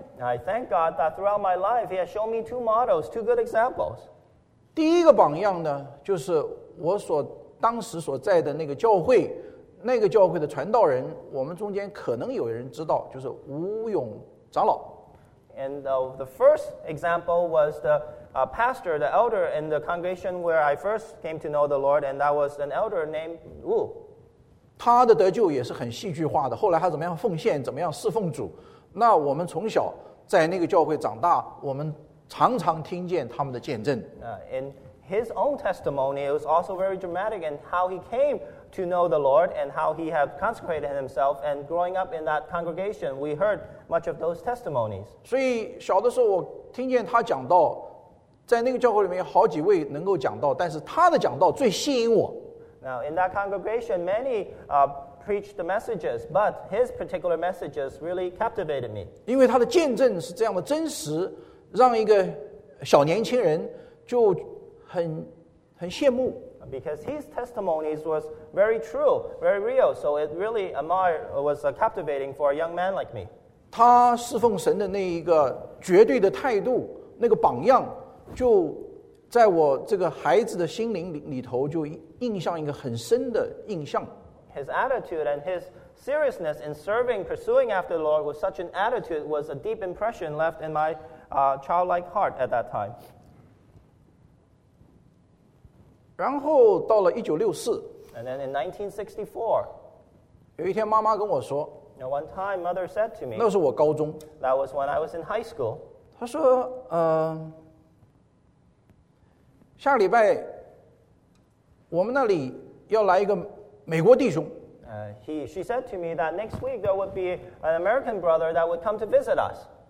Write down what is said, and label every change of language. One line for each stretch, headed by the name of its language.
English: I thank God that throughout my life He has shown me two models, two good examples.
Chinese: 第一个榜样呢，就是我所当时所在的那个教会，那个教会的传道人，我们中间可能有人知道，就是吴勇长老。
English: And the first example was the pastor, the elder in the congregation where I first came to know the Lord, and that was an elder named Wu.
Chinese: 他的得救也是很戏剧化的，后来他怎么样奉献，怎么样侍奉主。那我们从小在那个教会长大，我们常常听见他们的见证。
English: And his own testimony was also very dramatic in how he came to know the Lord and how he had consecrated himself. And growing up in that congregation, we heard much of those testimonies.
Chinese: 所以小的时候我听见他讲道，在那个教会里面有好几位能够讲道，但是他的讲道最吸引我。
English: Now, in that congregation, many preached the messages, but his particular messages really captivated me.
Chinese: 因为他的见证是这样的真实，让一个小年轻人就很羡慕。
English: Because his testimonies was very true, very real, so it really was captivating for a young man like me.
Chinese: 他侍奉神的那一个绝对的态度，那个榜样就在我这个孩子的心灵里头就印象一个很深的印象。
English: His attitude and his seriousness in serving, pursuing after the Lord with such an attitude was a deep impression left in my childlike heart at that time.
Chinese: 然后到了1964。
English: And then in 1964,
Chinese: 有一天妈妈跟我说，
English: Now one time mother said to me,
Chinese: 那是我高中，
English: That was when I was in high school.
Chinese: 她说下礼拜我们那里要来一个美国弟兄。
English: She said to me that next week there would be an American brother that would come to visit us.